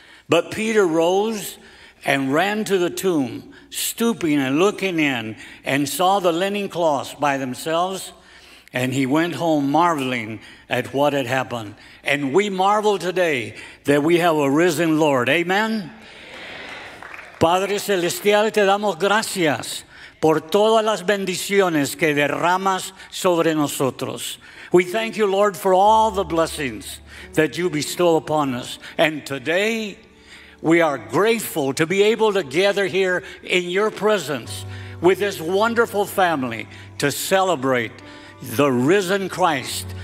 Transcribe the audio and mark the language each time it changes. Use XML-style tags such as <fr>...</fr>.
<en>But Peter rose and ran to the tomb, stooping and looking in, and saw the linen cloths by themselves, And he went home marveling at what had happened. And we marvel today that we have a risen Lord. Amen? Amen.</en> <es>Padre Celestial, te damos gracias por todas las bendiciones que derramas sobre nosotros.</es> <en>We thank you, Lord, for all the blessings that you bestow upon us. And today, we are grateful to be able to gather here in your presence with this wonderful family to celebrate the risen Christ.</en>